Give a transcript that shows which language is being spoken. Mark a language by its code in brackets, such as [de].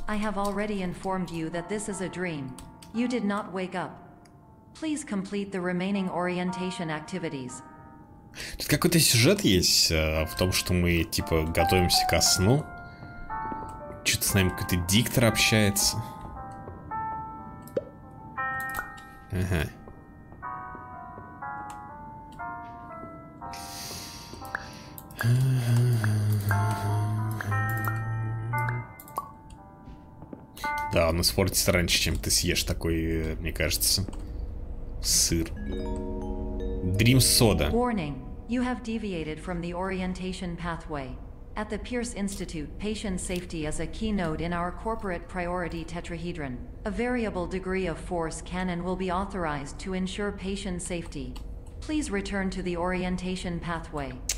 [en] I have already informed you that this is a dream. You did not wake up. Please complete the remaining orientation activities. [ru] Тут какой-то сюжет есть в том, что мы типа готовимся ко сну. Что-то с нами какой-то диктор общается. Ага. Да, он испортится раньше, чем ты съешь такой, мне кажется, сыр. [en] Dream Soda. Warning. You have deviated from the orientation pathway. At the Pierce Institute, patient safety is a key node in our corporate priority tetrahedron. A variable degree of force can and will be authorized to ensure patient safety. Please return to the orientation pathway.